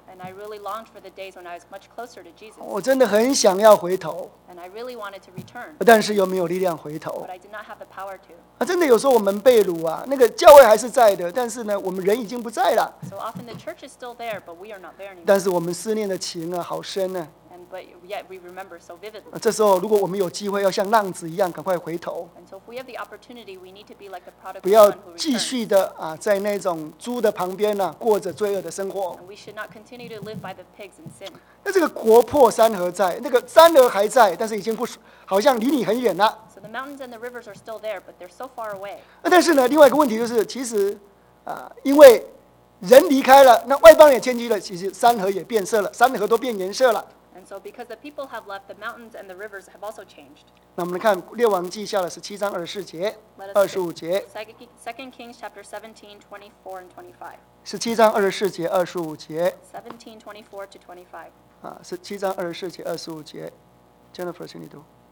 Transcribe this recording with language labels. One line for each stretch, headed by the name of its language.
English: And I really longed for the days when I was much closer to Jesus.
Chinese: 我真的很想要回头,
English: and I really wanted to return.
Chinese: 但是又没有力量回头,
English: but I did not have the power to.
Chinese: 真的有时候我们被掳啊, 那个教会还是在的, 但是呢, 我们人已经不在了。
English: So often the church is still there, but we are not there anymore.
Chinese: 但是我们思念的情啊, 好深啊。
English: And but yet we remember so vividly.
Chinese: 这时候如果我们有机会要像浪子一样, 赶快回头。
English: And so if we have the opportunity, we need to be like the prodigal son who returns.
Chinese: 不要继续的, 啊, 在那种猪的旁边啊, 过着罪恶的生活。
English: And we should not continue to live by the pigs and sin.
Chinese: 那这个国破山河在, 那个山河还在, 但是已经不, 好像离你很远了。
English: So the mountains and the rivers are still there, but they're so far away.
Chinese: 但是呢, 另外一个问题就是, 其实, 啊, 因为, 人离开了, 那外邦也迁居了, 其实山河也变色了, 山河都变颜色了。
English: And so because the people have left, the mountains and the rivers have also changed.
Chinese: 那我们看列王记下的17章24节, 25节。
English: 2 Kings chapter 17, 24 and 25.
Chinese: 17章24节, 25节。
English: 17, 24 to 25.
Chinese: 啊, 17章24节, 25节。 Jennifer, 请你读。